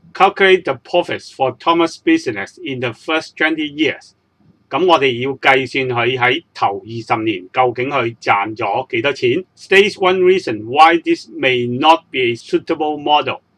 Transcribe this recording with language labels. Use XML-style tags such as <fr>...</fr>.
<en>Calculate the profits for Thomas' business in the first 20 years.</en> <yue>咁我哋要计算佢喺头20年究竟佢赚咗几多钱。</yue> <en>States one reason why this may not be a suitable model.</en>